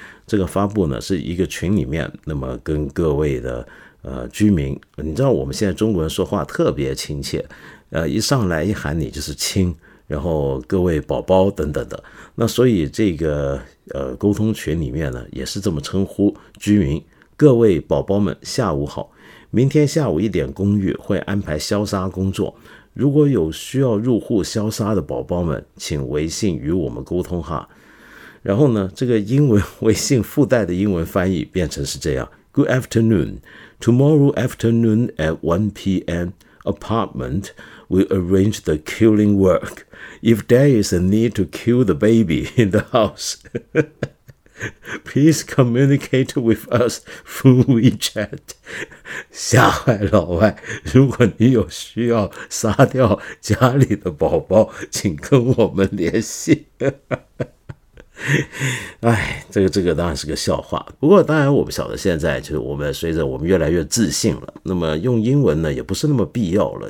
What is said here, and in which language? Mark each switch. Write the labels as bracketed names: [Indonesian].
[Chinese] 这个发布呢是一个群里面，那么跟各位的居民，你知道我们现在中国人说话特别亲切，一上来一喊你就是亲，然后各位宝宝等等的，那所以这个沟通群里面呢也是这么称呼居民，各位宝宝们下午好，明天下午一点公寓会安排消杀工作，如果有需要入户消杀的宝宝们，请微信与我们沟通哈。然后呢，这个英文微信附带的英文翻译变成是这样 [English] Good afternoon. Tomorrow afternoon at 1 p.m. apartment will arrange the killing work. If there is a need to kill the baby in the house, please communicate with us through WeChat. [Chinese] 吓坏老外，如果你有需要杀掉家里的宝宝，请跟我们联系。哎，这个当然是个笑话。不过当然我们晓得现在就是我们随着我们越来越自信了，那么用英文呢也不是那么必要了。